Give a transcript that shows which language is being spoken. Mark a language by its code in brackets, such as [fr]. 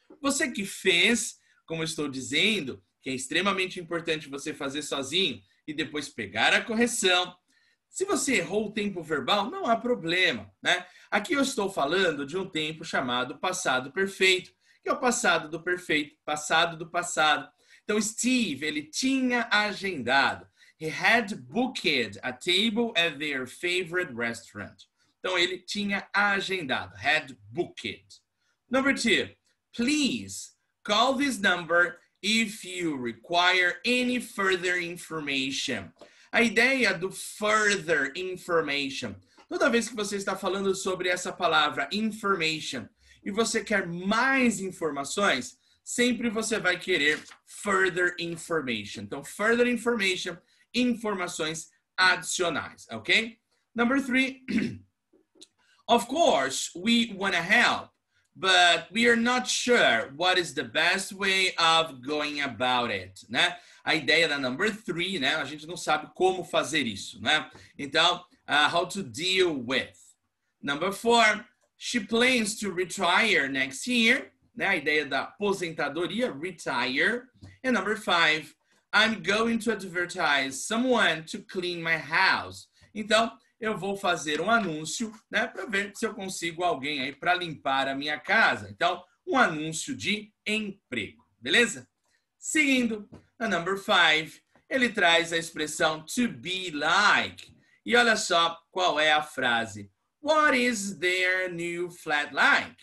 [pt] Você que fez, como estou dizendo, que é extremamente importante você fazer sozinho e depois pegar a correção. Se você errou o tempo verbal, não há problema, né? Aqui eu estou falando de um tempo chamado passado perfeito, que é o passado do perfeito, passado do passado. Então, Steve, ele tinha agendado. [en] He had booked a table at their favorite restaurant. [pt] Então, ele tinha agendado. [en] Had booked. Number two. Please call this number if you require any further information. [pt] A ideia do further information. Toda vez que você está falando sobre essa palavra information e você quer mais informações, sempre você vai querer further information. Então, further information, informações adicionais, ok? [en] Number three. Of course, we want to help, but we are not sure what is the best way of going about it, né? [pt] A ideia da number three, né? A gente não sabe como fazer isso, né? Então, [en] how to deal with. Number four. She plans to retire next year. [pt] Né, a ideia da aposentadoria, [en] retire. And number five, I'm going to advertise someone to clean my house. [pt] Então, eu vou fazer um anúncio, né, para ver se eu consigo alguém aí para limpar a minha casa. Então, um anúncio de emprego, beleza? Seguindo, a number five, ele traz a expressão to be like. E olha só qual é a frase. [en] What is their new flat like?